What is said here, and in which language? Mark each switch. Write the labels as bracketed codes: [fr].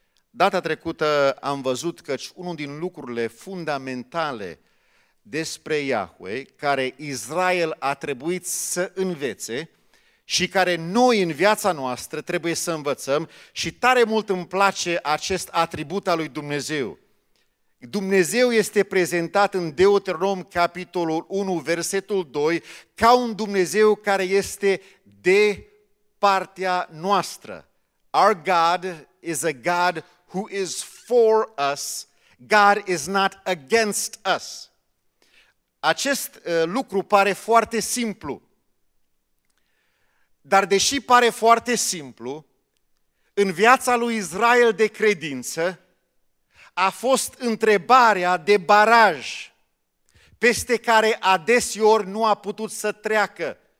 [ro] Data trecută am văzut că unul din lucrurile fundamentale despre Yahweh, care Israel a trebuit să învețe, și care noi în viața noastră trebuie să învățăm, și tare mult îmi place acest atribut al lui Dumnezeu. Dumnezeu este prezentat în Deuteronom, capitolul 1, versetul 2, ca un Dumnezeu care este de partea noastră. [en] Our God is a God who is for us. God is not against us. [ro] Acest lucru pare foarte simplu. Dar deși pare foarte simplu, în viața lui Israel de credință a fost întrebarea de baraj peste care adeseori nu a putut să treacă.